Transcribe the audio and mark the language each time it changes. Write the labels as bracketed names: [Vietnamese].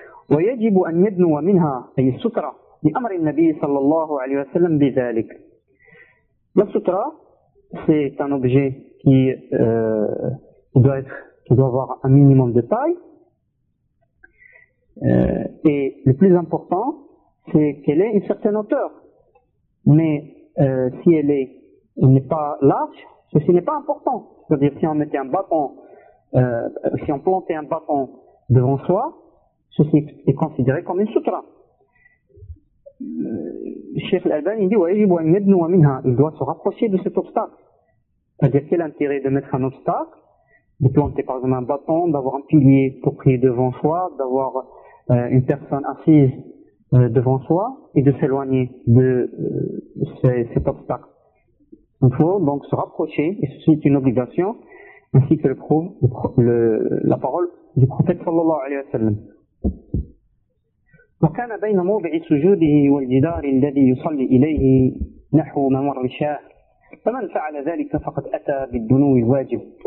[Arabic] ويجب أن يدنو منها أي السترة لأمر النبي صلى الله عليه وسلم بذلك. [French] La sutra, c'est un objet qui doit avoir un minimum de taille. Et le plus important, c'est qu'elle ait une certaine hauteur. Mais si elle n'est pas large, ceci n'est pas important. C'est-à-dire si on mettait un bâton, si on plantait un bâton devant soi, ceci est considéré comme une sutra. Cheikh Al-Albani dit [Arabic] وَيَجِبُ أَنْ يَدْنُوَ مِنْهَا, [French] il doit se rapprocher de cet obstacle. C'est-à-dire quel intérêt de mettre un obstacle, de planter par exemple un bâton, d'avoir un pilier pour prier devant soi, d'avoir une personne assise devant soi et de s'éloigner de cet obstacle. Il faut donc se rapprocher, et ceci est une obligation, ainsi que le prouve la parole du prophète [Arabic] sallallahu alayhi wa sallam. وكان بين موضع سجوده والجدار الذي يصلي إليه نحو ممر الشاه فمن فعل ذلك فقد أتى بالدنو الواجب.